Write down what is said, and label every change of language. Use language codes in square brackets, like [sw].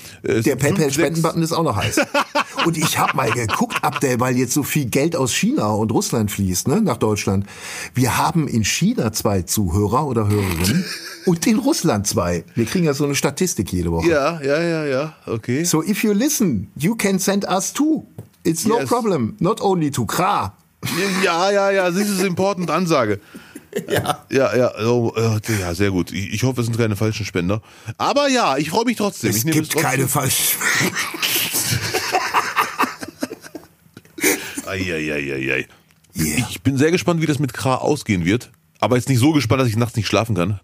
[de] Der PayPal-Spenden-Button ist auch noch heiß. Und ich habe mal geguckt, Abdel, weil jetzt so viel Geld aus China und Russland fließt, ne, nach Deutschland. Wir haben in China 2 Zuhörer oder Hörerinnen und in Russland 2. Wir kriegen ja so eine Statistik jede Woche. Ja, okay. [en] So if you listen, you can send us 2. It's no problem, not only to Kra. Ja, this is important Ansage. [de] Ja, sehr gut. Ich hoffe, es sind keine falschen Spender. Aber ja, ich freue mich trotzdem. Keine falschen Spender. Eieieiei. Ich bin sehr gespannt, wie das mit Kra ausgehen wird. Aber jetzt nicht so gespannt, dass ich nachts nicht schlafen kann.